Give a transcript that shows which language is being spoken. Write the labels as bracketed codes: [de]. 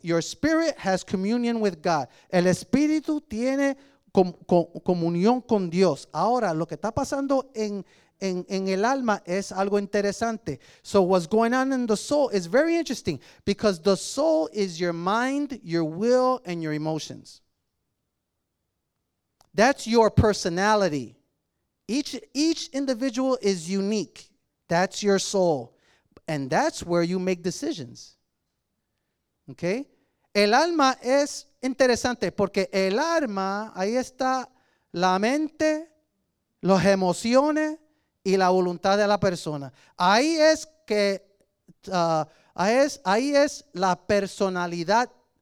[en] Your spirit has communion with God. [es] El espíritu tiene comunión con Dios. Ahora, lo que está pasando en el alma es algo interesante. [en] So what's going on in the soul is very interesting, because the soul is your mind, your will, and your emotions. That's your personality. Each individual is unique. That's your soul. And that's where you make decisions. Okay? [es] El alma es interesante porque el alma, ahí está la mente, las emociones y la voluntad de la persona. Ahí es que, ahí es la personalidad.